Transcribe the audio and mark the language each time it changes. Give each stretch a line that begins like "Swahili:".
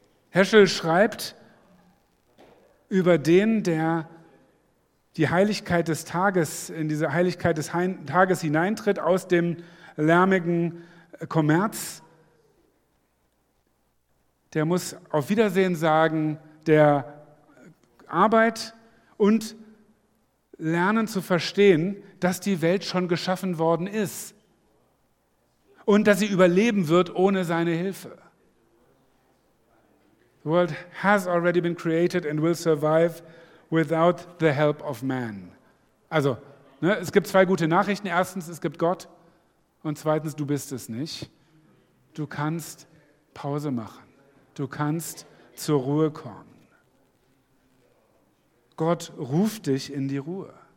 German: Heschel schreibt über den, der die Heiligkeit des Tages, in diese Heiligkeit des Tages hineintritt, aus dem lärmigen Kommerz, der muss auf Wiedersehen sagen der Arbeit und lernen zu verstehen, dass die Welt schon geschaffen worden ist und dass sie überleben wird ohne seine Hilfe.
English: The world has already been created and will survive without the help of man.
German: Also, ne, es gibt 2 gute Nachrichten. Erstens, es gibt Gott. Und zweitens, du bist es nicht. Du kannst Pause machen. Du kannst zur Ruhe kommen. Gott ruft dich in die Ruhe.